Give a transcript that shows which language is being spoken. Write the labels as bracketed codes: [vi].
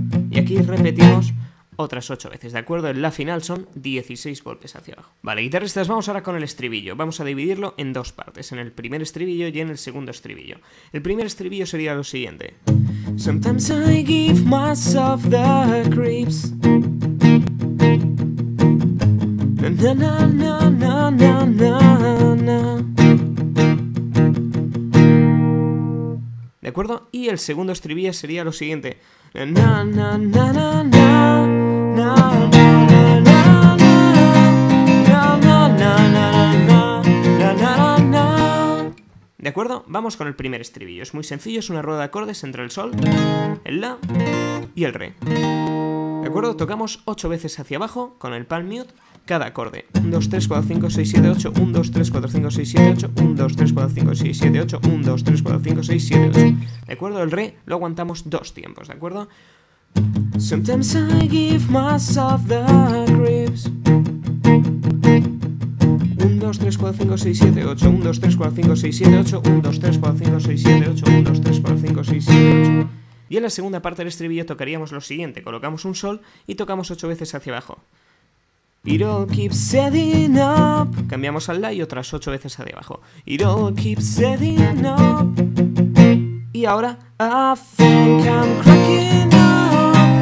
[es] Y aquí repetimos otras 8 veces, ¿de acuerdo? En la final son 16 golpes hacia abajo. Vale, guitarristas, vamos ahora con el estribillo. Vamos a dividirlo en dos partes, en el primer estribillo y en el segundo estribillo. El primer estribillo sería lo siguiente. [en] Sometimes I give myself the creeps. Na, na, na, na, na, na, na. [es] ¿De acuerdo? Y el segundo estribillo sería lo siguiente. Na, na, na, na, na. Na, na, na, na, na, na, na, na, na. ¿De acuerdo? Vamos con el primer estribillo. Es muy sencillo, es una rueda de acordes entre el sol, el la y el re. ¿De acuerdo? Tocamos 8 veces hacia abajo con el palm mute cada acorde. 1, 2, 3, 4, 5, 6, 7, 8. 1, 2, 3, 4, 5, 6, 7, 8. 1, 2, 3, 4, 5, 6, 7, 8. 1, 2, 3, 4, 5, 6, 7, 8. ¿De acuerdo? El re lo aguantamos 2 tiempos. ¿De acuerdo? [en] Sometimes I give myself the creeps. [es] 1, 2, 3, 4, 5, 6, 7, 8. 1, 2, 3, 4, 5, 6, 7, 8. 1, 2, 3, 4, 5, 6, 7, 8. 1, 2, 3, 4, 5, 6, 7, 8. Y en la segunda parte del estribillo tocaríamos lo siguiente. Colocamos un sol y tocamos 8 veces hacia abajo. [en] It all keeps setting up. [es] Cambiamos al la y otras 8 veces hacia abajo. [en] It all keeps setting up. [es] Y ahora [en] I think I'm cracking up.